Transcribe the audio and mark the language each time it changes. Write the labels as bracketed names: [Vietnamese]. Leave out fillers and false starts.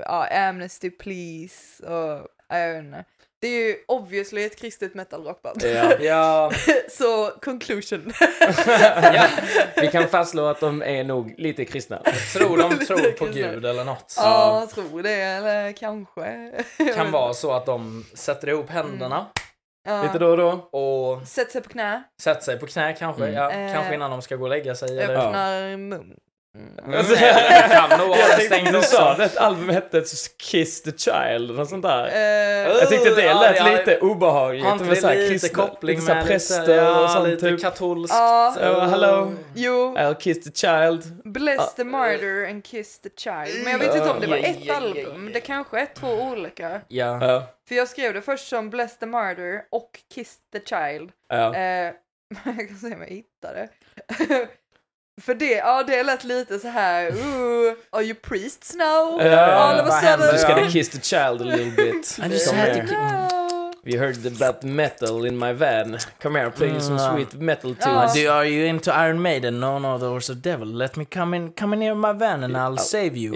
[English] Amnesty Please. Och, I don't know. [Swedish] det är ju obviously ett kristet metalrockband. Ja. Ja. Så, conclusion. Ja. Vi kan fastslå att de är nog lite kristna. Tror de tror på Gud eller något? Ja, tror det, eller kanske. Kan vara så att de sätter ihop händerna. Mm. Lite då och då. Och sätter sig på knä. Sätter sig på knä, kanske. Mm. Ja, kanske innan de ska gå och lägga sig. Öppnar mun. Mm. Jag tänkte att du sa det, album hette Kiss the Child och sånt där. Jag tyckte det lät lite obehagligt. Han hade lite kristna, koppling lite med präster lite, och sånt, lite typ katolskt. [English] Hello, [Swedish] jo. [English] I'll kiss the child. Bless the martyr and kiss the child. [Swedish] Men jag vet inte om det var ett album. Det kanske är två olika. Ja. För jag skrev det först som Bless the martyr och Kiss the child. Jag kan se om jag hittar det. För det, ja, det lät lite så här, ooh, [English] are you priests now? Yeah, just gonna kiss the child a little bit. I just had to We heard about metal in my van. Come here, play you some sweet metal tunes. Do, are you into Iron Maiden? No, no, there was a devil. Let me come in, come in here in my van and I'll save you.